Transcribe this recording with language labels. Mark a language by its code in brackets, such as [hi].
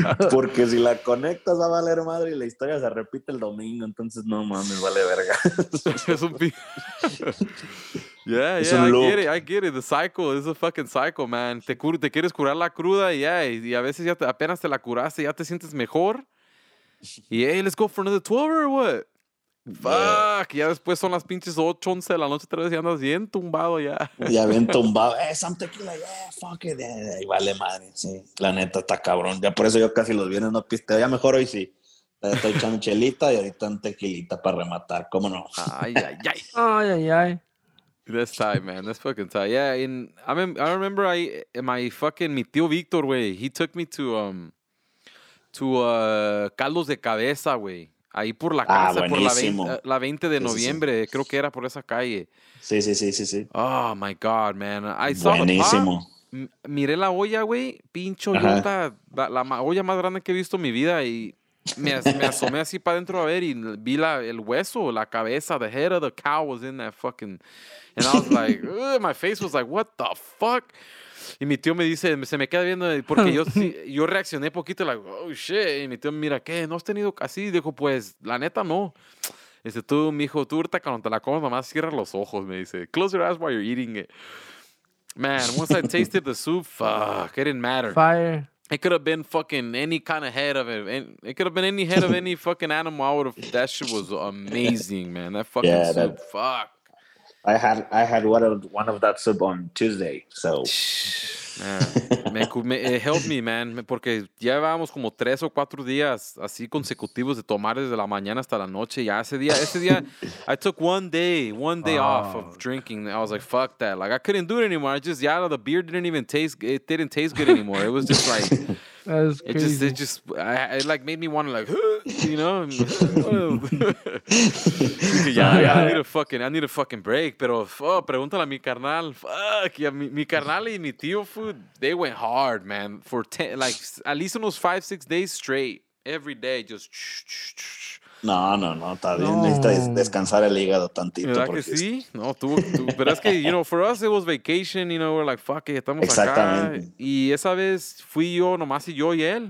[es] Porque si la conectas va a valer madre y la historia se repite el domingo, entonces no mames, vale verga. [en] Es un I get it, the cycle is a fucking cycle, man. [es] Te quieres curar la cruda y a veces ya apenas te la curaste ya te sientes mejor. [en] Y hey, let's go for another 12 or what? [es] Fuck, yeah. Ya después son las pinches 8, 11 de la noche, otra vez y andas bien tumbado ya. Ya bien tumbado. [en] Some tequila, fuck it. [es] Y vale, madre, sí. La neta está cabrón. Ya por eso yo casi los viernes no pisteo. Ya mejor hoy sí. Estoy echando chelita y ahorita un tequilita para rematar. ¿Cómo no? Ay, ay, ay. Ay, ay, ay. [en] This time, man. This fucking time. Yeah, and I remember [es] mi tío Víctor, güey, [en] he took me to Carlos de Cabeza, güey. [es] Ahí por la casa, por la 20 de noviembre. Sí, sí, sí. Creo que era por esa calle. Sí, sí, sí, sí, sí. [en] Oh, my God, man. I saw buenísimo. [es] Miré la olla, güey. Pincho, ajá. Yuta. La olla más grande que he visto en mi vida. Y me asomé así para adentro a ver y vi el hueso, la cabeza. [en] The head of the cow was in that fucking... And I was like, my face was like, what the fuck? [es] Y mi tío me dice, se me queda viendo, porque yo reaccioné poquito, [en] like, oh, shit. [es] Y mi tío me mira, ¿qué? ¿No has tenido así? Y dijo, pues, la neta, no. Y dice, tú, mijo, tú ahorita cuando te la comas, nomás cierra los ojos, me dice. [en] Close your eyes while you're eating it. Man, once I tasted the soup, fuck, it didn't matter. Fire. It could have been fucking any kind of head of it. It could have been any head of any fucking animal. That shit was amazing, man. That fucking soup, fuck. I had one of that soup on Tuesday, so. Man, it helped me, man, [es] porque ya llevábamos como 3 o 4 días así consecutivos de tomar desde la mañana hasta la noche. Ya ese día, [en] I took one day off of drinking. I was like, fuck that. Like, I couldn't do it anymore. The beer didn't taste good anymore. It was just like, it made me want to, like, you know? I need a fucking break. [es] Pero, oh, pregúntale a mi carnal. Fuck. Yeah, mi carnal y mi tío, [en] they went hard, man. For 10, like, at least in those 5-6 days straight. Every day, just... [es] No. Necesita descansar el hígado tantito. ¿Verdad que sí? No, tú. Pero es que, [en] you know, for us it was vacation, you know, we're like, fuck it, estamos [es] exactamente. Acá. Y esa vez fui yo, nomás y yo y él.